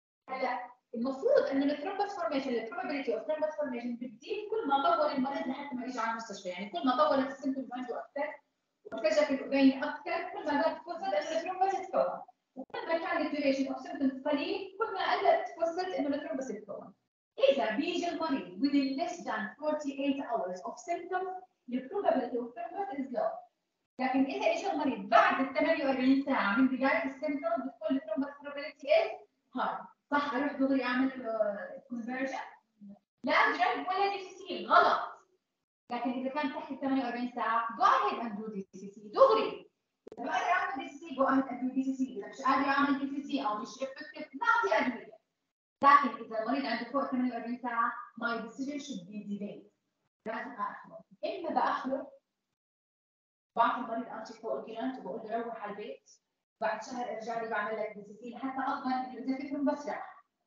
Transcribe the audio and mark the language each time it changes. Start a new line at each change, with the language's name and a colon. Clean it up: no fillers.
Arabic: هلا المفروض إن thrombus formation
English: the probability of thrombus formation
Arabic: بتزيد كل ما طول المرض لحتى ما يجي على المستشفى. يعني كل ما طول السيمتوم عنده أكثر وارتجف البين أكثر كل ما زاد فرصة إن thrombus يتكون وكل ما كان
English: duration of symptoms
Arabic: قليل كل ما قلت فرصة إن thrombus يتكون. إذا بيجي المريض
English: within less than 48 hours of symptoms the probability of thrombus is low.
Arabic: لكن إذا إجى المريض بعد 48 ساعة من بداية السيمتوم بتكون
English: the thrombus probability is high.
Arabic: صح أروح دغري أعمل conversion؟ لا أجرب ولا DCC غلط. لكن إذا كان تحت 48 ساعة
English: go ahead and do DCC
Arabic: دغري. إذا ما أقدر أعمل DCC
English: go ahead and do DCC.
Arabic: إذا مش قادر أعمل DCC أو مش effective نعطي أدوية. لكن إذا المريض عنده فوق 48 ساعة
English: my decision should be delayed.
Arabic: لازم أخله. إما بأخله بعطي المريض أنتي فوق الجيلانت وبقول له روح على البيت بعد شهر أرجع لي بعمل لك DCC حتى أضمن إنه إذا في ثرومبس راح.